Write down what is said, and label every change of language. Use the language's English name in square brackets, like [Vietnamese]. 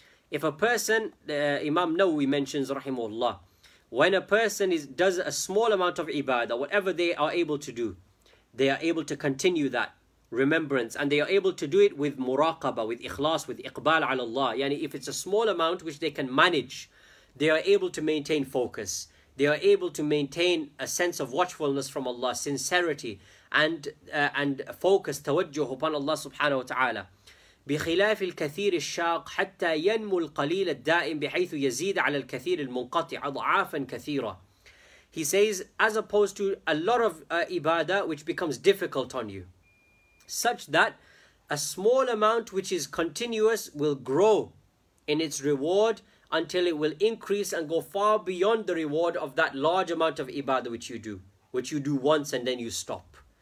[English] If a person, Imam Nawawi mentions, rahimahullah, when a person does a small amount of ibadah, whatever they are able to do, they are able to continue that remembrance, and they are able to do it with muraqaba, with ikhlas, with [Arabic] iqbal ala Allah. [English] Yani if it's a small amount which they can manage, they are able to maintain focus, they are able to maintain a sense of watchfulness from Allah, sincerity, and focus, tawajjuh upon Allah subhanahu wa ta'ala. [Arabic] بخلاف الكثير الشاق حتى ينمو القليل الدائم بحيث يزيد على الكثير المنقطع أضعافا كثيرة. [English] He says, as opposed to a lot of ibadah which becomes difficult on you, such that a small amount which is continuous will grow in its reward until it will increase and go far beyond the reward of that large amount of ibadah which you do once and then you stop.